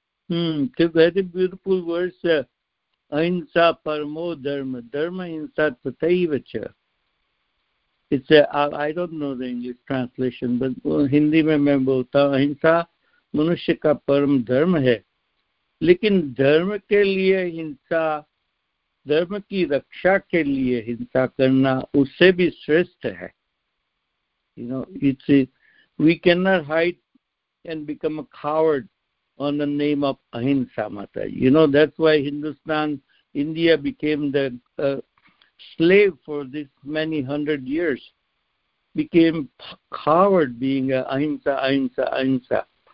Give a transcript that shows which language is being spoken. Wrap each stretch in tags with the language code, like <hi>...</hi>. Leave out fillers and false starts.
<en>Very beautiful words.</en> <sa>Ahimsa paramo dharma, dharma ahimsa tathaiva cha.</sa> <en>It's I don't know the English translation, but</en> <hi>Hindi mein main bolta hu, ahimsa manushya ka param dharma hai. लेकिन धर्म के लिए अहिंसा, धर्म की रक्षा के लिए अहिंसा करना उससे भी श्रेष्ठ है।</hi> <en>You know, we cannot hide and become a coward on the name of ahimsa, Mata. You know, that's why Hindustan, India became the slave for this many hundred years, became coward being ahimsa, ahimsa, ahimsa.</en>